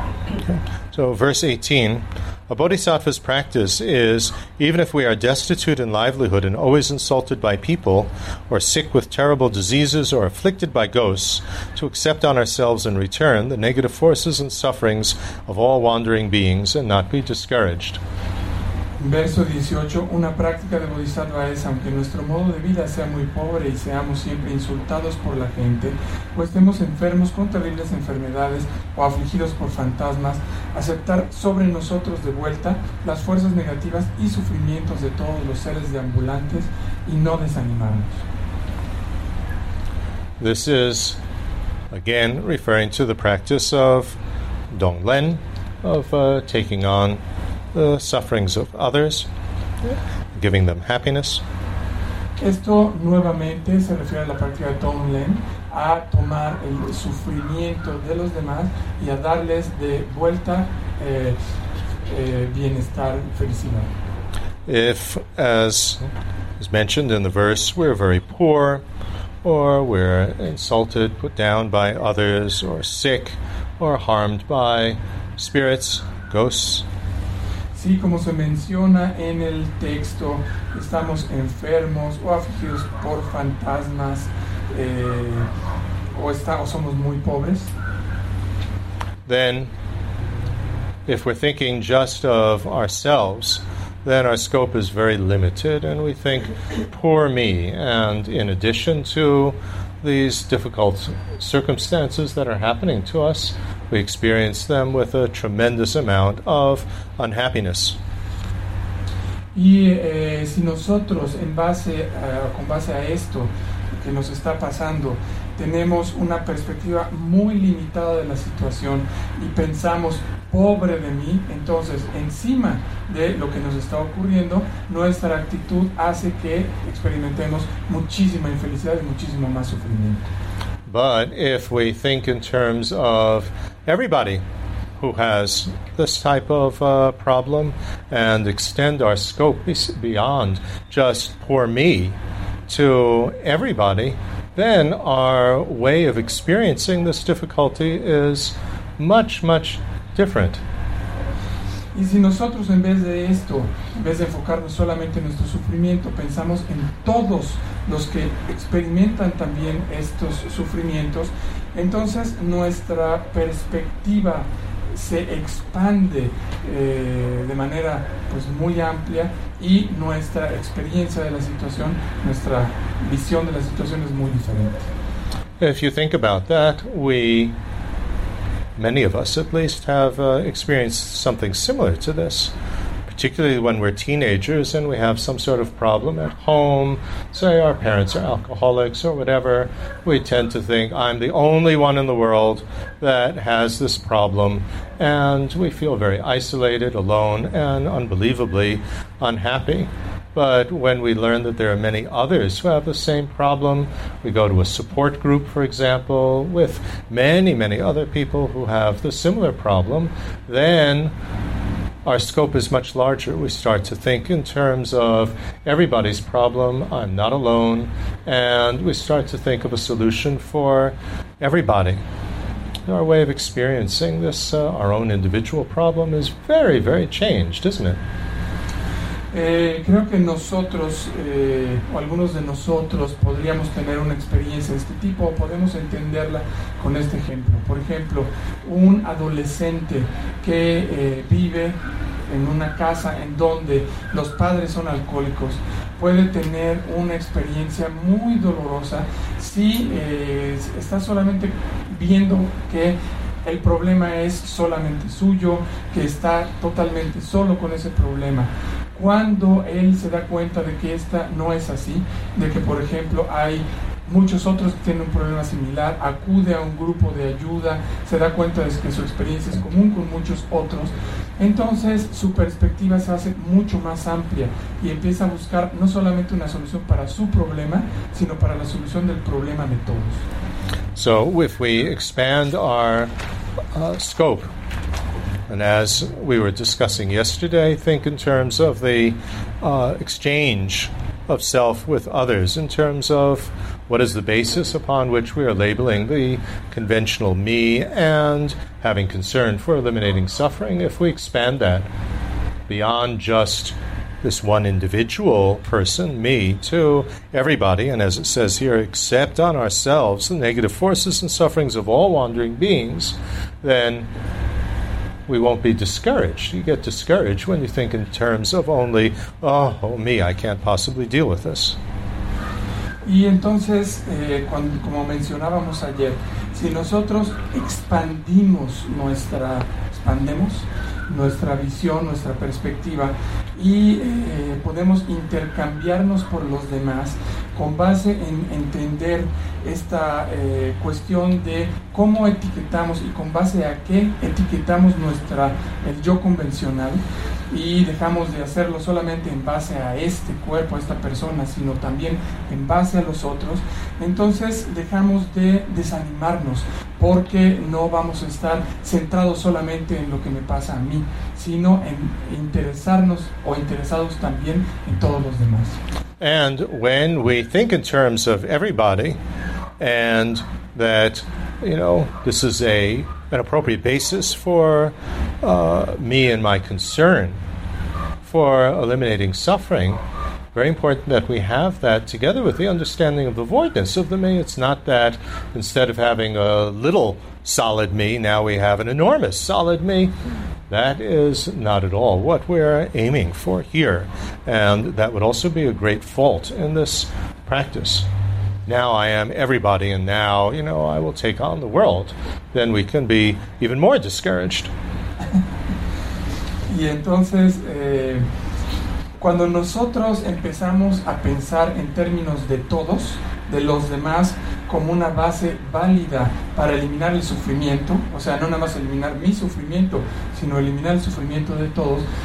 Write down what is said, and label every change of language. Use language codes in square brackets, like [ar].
[en] Okay. So verse 18, a bodhisattva's practice is, even if we are destitute in livelihood and always insulted by people, or sick with terrible diseases or afflicted by ghosts, to accept on ourselves in return the negative forces and sufferings of all wandering beings and not be discouraged. [es] Verso 18, una práctica de bodhisattva es, aunque nuestro modo de vida sea muy pobre y seamos siempre insultados por la gente, o estemos enfermos con terribles enfermedades o afligidos por fantasmas, aceptar sobre nosotros de vuelta las fuerzas negativas y sufrimientos de todos los seres deambulantes y no desanimarnos. [en] This is, again, referring to the practice of Donglen, of taking on the sufferings of others, giving them happiness. [es] Esto nuevamente se refiere a la práctica de Tonglen, a tomar el sufrimiento de los demás y a darles de vuelta bienestar, felicidad. [en] If, as is mentioned in the verse, we're very poor, or we're insulted, put down by others, or sick, or harmed by spirits, ghosts, [es] sí, como se menciona en el texto, estamos enfermos o afligidos por fantasmas o somos muy pobres. [en] Then, if we're thinking just of ourselves, then our scope is very limited, and we think, poor me, and in addition to these difficult circumstances that are happening to us, we experience them with a tremendous amount of unhappiness. [es] Y si nosotros con base a esto que nos está pasando, tenemos una perspectiva muy limitada de la situación y pensamos, pobre de mí, entonces encima de lo que nos está ocurriendo, nuestra actitud hace que experimentemos muchísima infelicidad y muchísimo más sufrimiento. [en] But if we think in terms of everybody who has this type of problem and extend our scope beyond just poor me to everybody, then our way of experiencing this difficulty is much, much different. [es] Y si nosotros en vez de esto, en vez de enfocarnos solamente en nuestro sufrimiento, pensamos en todos los que experimentan también estos sufrimientos, entonces nuestra perspectiva se expande de manera pues muy amplia y nuestra experiencia de la situación, nuestra visión de la situación es muy diferente. [en] If you think about that, many of us at least have experienced something similar to this, particularly when we're teenagers and we have some sort of problem at home, say our parents are alcoholics or whatever. We tend to think, I'm the only one in the world that has this problem, and we feel very isolated, alone, and unbelievably unhappy. But when we learn that there are many others who have the same problem, we go to a support group, for example, with many, many other people who have the similar problem, then our scope is much larger. We start to think in terms of everybody's problem, I'm not alone, and we start to think of a solution for everybody. Our way of experiencing this, our own individual problem, is very, very changed, isn't it? [es] Creo que nosotros, o algunos de nosotros, podríamos tener una experiencia de este tipo, o podemos entenderla con este ejemplo. Por ejemplo, un adolescente que vive en una casa en donde los padres son alcohólicos puede tener una experiencia muy dolorosa si está solamente viendo que el problema es solamente suyo, que está totalmente solo con ese problema. Cuando él se da cuenta de que esta no es así, de que, por ejemplo, hay muchos otros que tienen un problema similar, acude a un grupo de ayuda, se da cuenta de que su experiencia es común con muchos otros, entonces su perspectiva se hace mucho más amplia y empieza a buscar no solamente una solución para su problema, sino para la solución del problema de todos. [en] So, if we expand our scope, and as we were discussing yesterday, think in terms of the exchange of self with others, in terms of what is the basis upon which we are labeling the conventional me and having concern for eliminating suffering, if we expand that beyond just this one individual person, me, to everybody, and as it says here, accept on ourselves the negative forces and sufferings of all wandering beings, then we won't be discouraged. You get discouraged when you think in terms of only, me, I can't possibly deal with this. [es] Y entonces, como mencionábamos ayer, si nosotros expandemos nuestra visión, nuestra perspectiva, y podemos intercambiarnos por los demás con base en entender esta cuestión de cómo etiquetamos y con base a qué etiquetamos el yo convencional, y dejamos de hacerlo solamente en base a este cuerpo, a esta persona, sino también en base a los otros, entonces dejamos de desanimarnos, porque no vamos a estar centrados solamente en lo que me pasa a mí, sino en interesarnos o interesados también en todos los demás. [en] And when we think in terms of everybody, and that, you know, this is an appropriate basis for me and my concern for eliminating suffering, very important that we have that together with the understanding of the voidness of the me. It's not that instead of having a little solid me, now we have an enormous solid me. That is not at all what we're aiming for here. And that would also be a great fault in this practice. Now I am everybody, and now, you know, I will take on the world. Then we can be even more discouraged. [es] Y entonces, cuando nosotros empezamos a pensar en términos de todos, de los demás, como una base válida para eliminar el sufrimiento, o sea, no nada más eliminar mi sufrimiento, sino eliminar el sufrimiento de todos,